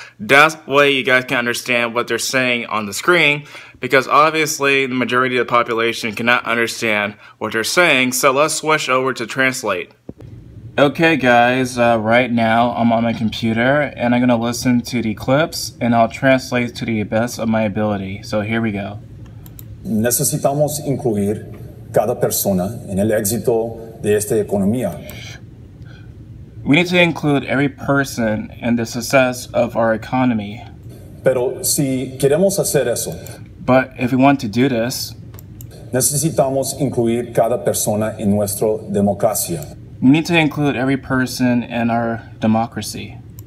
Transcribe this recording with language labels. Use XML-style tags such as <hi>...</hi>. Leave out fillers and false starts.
<en>That way you guys can understand what they're saying on the screen, because obviously the majority of the population cannot understand what they're saying. So let's switch over to translate. Okay guys, right now I'm on my computer and I'm gonna listen to the clips and I'll translate to the best of my ability. So here we go.</en> <es>Necesitamos incluir cada persona en el éxito de esta economía.</es> <en>We need to include every person in the success of our economy.</en> <es>Pero si queremos hacer eso.</es> <en>But if we want to do this.</en> <es>Necesitamos incluir cada persona en nuestra democracia.</es> <en>We need to include every person in our democracy.</en>